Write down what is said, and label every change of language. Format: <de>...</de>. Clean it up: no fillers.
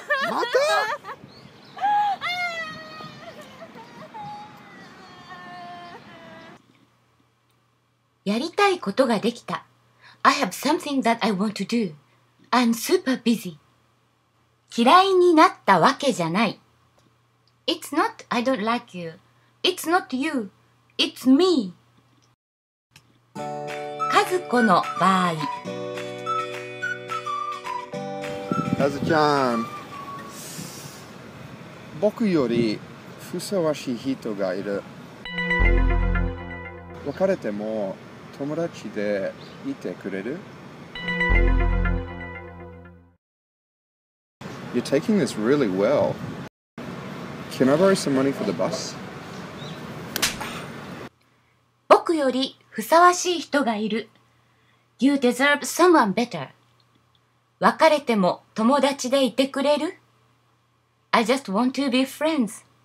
<ja>また? やりたいことができた。</ja> <en>I have something that I want to do. I'm super busy.</en> <ja>嫌いになったわけじゃない。</ja> <en>It's not I don't like you. It's not you. It's me.</en> <ja>カズコの場合。カズちゃん、僕よりふさわしい人がいる。別れても友達でいてくれる ？</ja> <en>You're taking this really well. Can I borrow some money for the bus?</en> <ja>僕よりふさわしい人がいる。</ja> <en>You deserve someone better.</en> <ja>別れても友達でいてくれる。</ja> <en>I just want to be friends.</en>